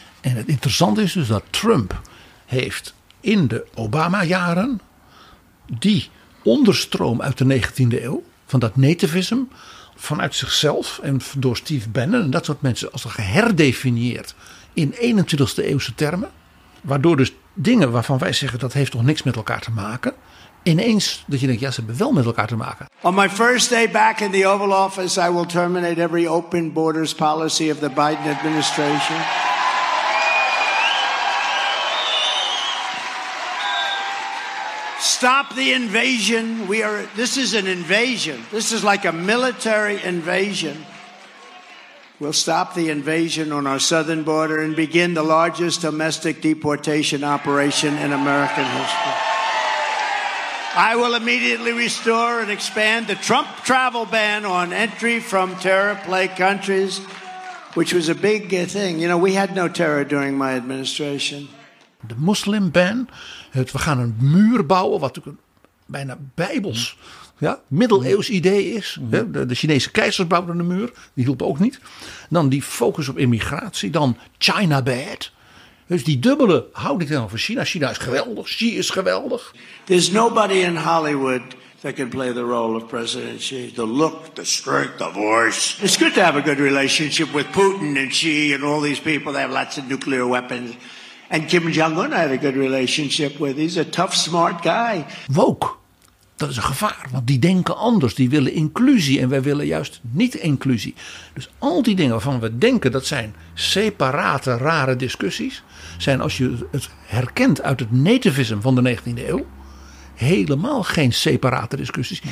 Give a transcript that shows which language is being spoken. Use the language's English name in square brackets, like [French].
[Dutch] En het interessante is dus dat Trump heeft in de Obama-jaren die onderstroom uit de 19e eeuw, van dat nativisme, vanuit zichzelf en door Steve Bannon en dat soort mensen, als geherdefinieerd in 21e eeuwse termen, waardoor dus dingen waarvan wij zeggen dat heeft toch niks met elkaar te maken, ineens dat je denkt, ja, ze hebben wel met elkaar te maken. [English] On my first day back in the Oval Office, I will terminate every open borders policy of the Biden administration. Stop the invasion. This is an invasion. This is like a military invasion. We'll stop the invasion on our southern border and begin the largest domestic deportation operation in American history. I will immediately restore and expand the Trump travel ban on entry from terror-plagued countries, which was a big thing. You know, we had no terror during my administration. [Dutch] De Muslim ban. We gaan een muur bouwen, wat natuurlijk een bijna bijbels, ja, middeleeuws idee is. De Chinese keizers bouwden een muur, die hielp ook niet. Dan die focus op immigratie, dan [English] China bad. [Dutch] Dus die dubbele houding dan van China. China is geweldig, Xi is geweldig. [English] There's nobody in Hollywood that can play the role of President Xi. The look, the strength, the voice. It's good to have a good relationship with Putin and Xi and all these people. They have lots of nuclear weapons. En Kim Jong-un had a good relationship with. He's a tough, smart guy. [Dutch] Woke, dat is een gevaar. Want die denken anders. Die willen inclusie en wij willen juist niet inclusie. Dus al die dingen waarvan we denken dat zijn separate, rare discussies, zijn als je het herkent uit het nativisme van de 19e eeuw, helemaal geen separate discussies.